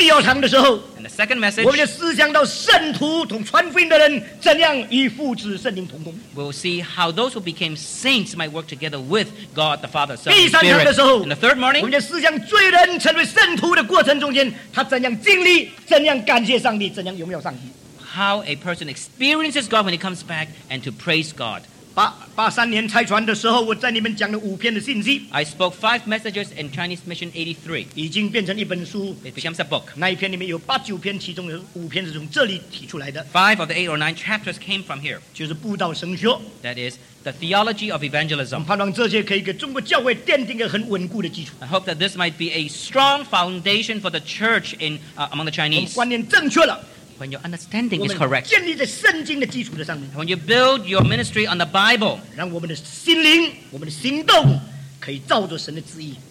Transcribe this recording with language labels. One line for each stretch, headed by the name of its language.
English: And the second message, we'll see how those who became saints might work together with God, the Father, Son, and Spirit. In the third morning, how a person experiences God when he comes back and to praise God.
Chinese: 八三年拆船的时候，我在你们讲了五篇的信息。
English: I spoke 5 messages in Chinese Mission 83.
Chinese: 已经变成一本书。
English: It becomes a book.
Chinese: 那一篇里面有八九篇，其中有五篇是从这里提出来的。
English: 5 of the 8 or 9 chapters came from here.
Chinese: 就是布道神学。
English: That is the theology of evangelism.
Chinese: 盼望这些可以给中国教会奠定一个很稳固的基础。
English: I hope that this might be a strong foundation for the church in among the Chinese.
Chinese: 观念正确了。
English: When your understanding is correct, and when you build your ministry on the Bible,
Chinese: 让我们的心灵, 我们的行动, 可以照着神的旨意,